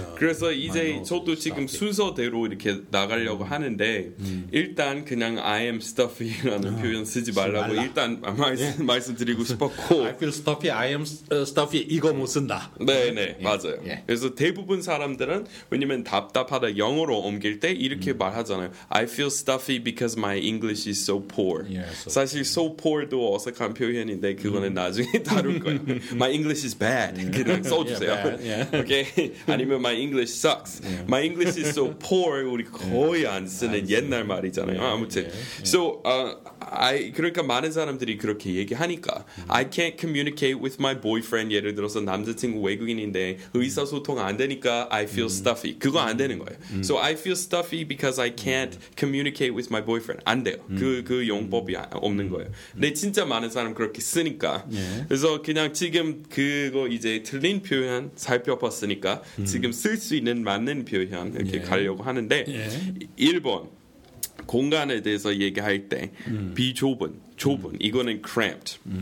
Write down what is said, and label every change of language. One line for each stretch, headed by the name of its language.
Korean: 그래서 이제 저도 지금 순서대로 이렇게 나가려고 하는데 일단 그냥
English: I am stuffy
Korean: 라는 표현 쓰지 말라고 일단 말씀드리고 싶었고
English: I feel stuffy, I am stuffy
Korean: 이거 못 쓴다. 네네 맞아요. 그래서 대부분 사람들은 왜냐면 답답하다 영어로 옮길 때 이렇게 말하잖아요.
English: I feel stuffy because my English is so poor. Yeah, so
Korean: 사실
English: so poor
Korean: 도 어색한 표현인데 그거는 나중에 다룰 거예요.
English: My English is bad.
Korean: 그냥 써주세요.
English: Yeah, bad. Yeah. Okay?
Korean: 아니면
English: my English sucks. Yeah. My English is so poor.
Korean: 우리 거의 안 쓰는 옛날 말이잖아요.
English: Yeah,
Korean: 아무튼.
English: Yeah, yeah. So, I
Korean: 그러니까 많은 사람들이 그렇게 얘기하니까
English: I can't communicate with my boyfriend.
Korean: 예를 들어서 남자친구 외국인인데 의사소통 안 되니까
English: I feel stuffy.
Korean: 그거 안 되는 거예요.
English: So I feel stuffy because I can't communicate with my boyfriend.
Korean: 안 돼요. 그 용법이 없는 거예요. 근데 진짜 많은 사람 그렇게 쓰니까 그래서 그냥 지금 그거 이제 틀린 표현 살펴봤으니까 지금 쓸 수 있는 맞는 표현 이렇게 가려고 하는데 1번 공간에 대해서 얘기할 때 비좁은 좁은 이거는 cramped.